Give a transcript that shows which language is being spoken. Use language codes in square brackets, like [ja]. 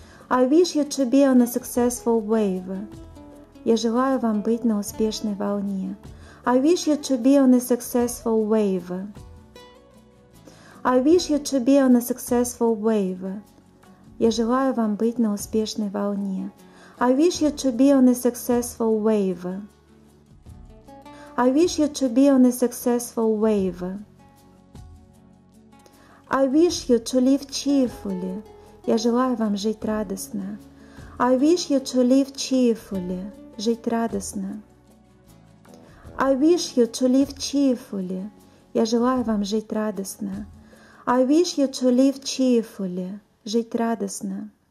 [en] I wish you to be on a successful wave. [ru] Я желаю вам быть на успешной волне. [en] I wish you to be on a successful wave. I wish you to be on a successful wave. [ru] Я желаю вам быть на успешной волне. [en] I wish you to be on a successful wave. I wish you to be on a successful wave. I wish you to live cheerfully. [ru] Я желаю вам жить радостно. [en] I wish you to live cheerfully. [ru] Жить радостно. [en] I wish you to live cheerfully. [ru] Я желаю вам жить радостно. [en] I wish you to live cheerfully. [ru] Жить радостно.